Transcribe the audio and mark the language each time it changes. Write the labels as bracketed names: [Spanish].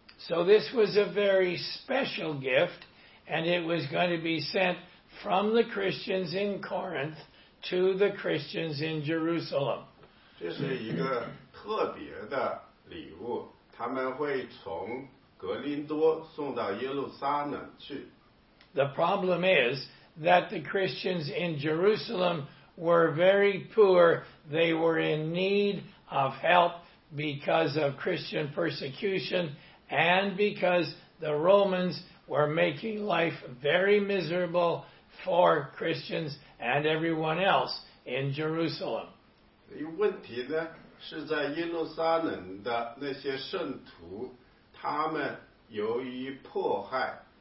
[English] So this was a very special gift, and it was going to be sent from the Christians in Corinth to the Christians in Jerusalem. [Chinese] 这是一个特别的礼物，他们会从格林多送到耶路撒冷去。 [English] The problem is that the Christians in Jerusalem were very poor. They were in need of help because of Christian persecution and because the Romans were making life very miserable for Christians and everyone else in Jerusalem. [Chinese] 问题呢，是在耶路撒冷的那些圣徒，他们由于迫害。